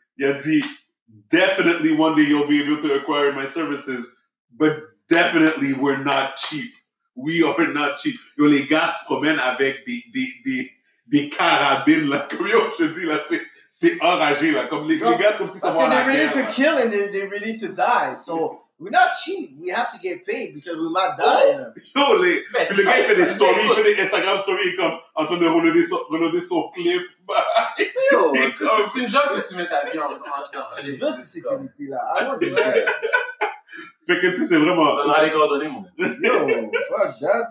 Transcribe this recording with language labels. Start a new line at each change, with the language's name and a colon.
French: Il a dit,
English: definitely one day you'll be able to acquire my services, but... Definitely, we're not cheap. We are not cheap.
French: Yo, les gars se promènent avec des carabines, là. Comme yo, je dis, là, c'est enragé, là. Comme les gars, comme si ça va en arrière.
English: They're ready to kill and they're ready to die. So, we're not cheap. We have to get paid because we might die.
French: Yo, le gars, il fait des stories, il fait des Instagram stories, comme en train de reloader son clip. Yo, c'est une job que tu mets ta vie en danger. J'ai vu cette sécurité-là. Fait que tu sais, c'est vraiment... Tu donneras les coordonnées, mon gars.
English: Yo, fuck that.